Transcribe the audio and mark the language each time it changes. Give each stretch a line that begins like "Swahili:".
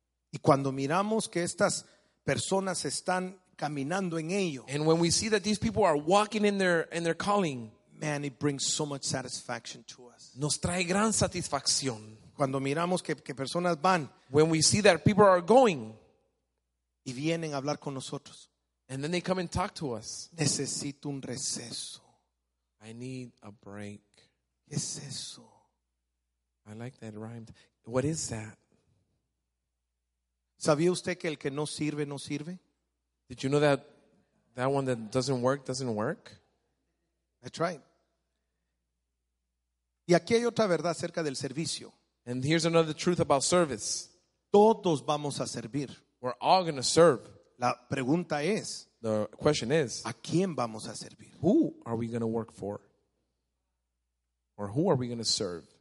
Spanish: Y cuando miramos que estas personas están caminando en ello.
English: And when we see that these people are walking in their calling, man, it brings so much satisfaction to us.
Spanish: Nos trae gran satisfacción. Cuando miramos que personas van,
English: when we see that people are going,
Spanish: y vienen a hablar con nosotros,
English: and then they come and talk to us.
Spanish: Necesito un receso.
English: I need a break.
Spanish: ¿Qué es eso?
English: I like that rhymed. What is that?
Spanish: ¿Sabía usted que el que no sirve, no sirve?
English: Did you know that one that doesn't work, doesn't work? That's right.
Spanish: Y aquí hay otra verdad acerca del servicio.
English: And here's another truth about service.
Spanish: Todos vamos a servir.
English: We're all going to serve.
Spanish: La pregunta es,
English: the question is,
Spanish: ¿a quién vamos a servir?
English: Who are we going to work for? Or who are we going to serve?